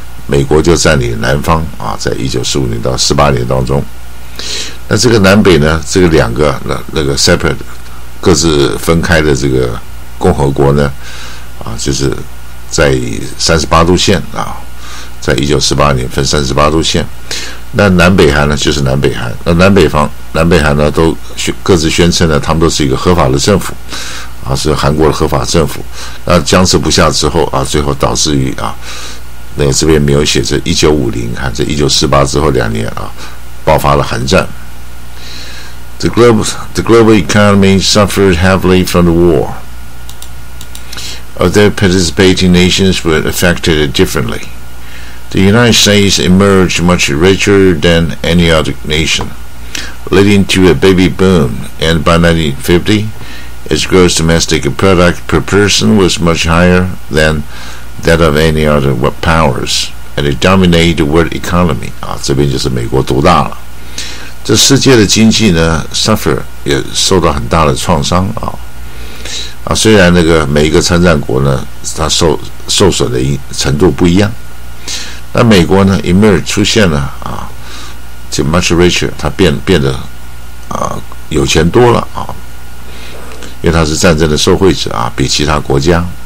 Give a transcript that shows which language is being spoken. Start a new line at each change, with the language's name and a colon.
Chinese: 美国就占领南方啊，在1945年到1948年当中，那这个南北呢，这个两个那个 separate 各自分开的这个共和国呢，啊，就是在38度线啊，在1948年分38度线，那南北韩呢就是南北韩，那南北方南北韩呢都各自宣称呢，他们都是一个合法的政府，啊，是韩国的合法政府，那僵持不下之后啊，最后导致于啊。那这边没有写着1950，看这1948之后两年啊，爆发了韩战。
English: The global economy suffered heavily from the war. Other participating nations were affected differently. The United States emerged much richer than any other nation, leading to a baby boom. And by 1950, its gross domestic product per person was much higher than. That of any other powers, and it dominated the world economy.
Chinese: 啊，这边就是美国独大了。这世界的经济呢 ，suffer 也受到很大的创伤啊。啊，虽然那个每一个参战国呢，它受损的程度不一样。那美国呢 ，emerge 出现了啊，就 much richer， 它变得啊有钱多了啊，因为它是战争的受惠者啊，比其他国家。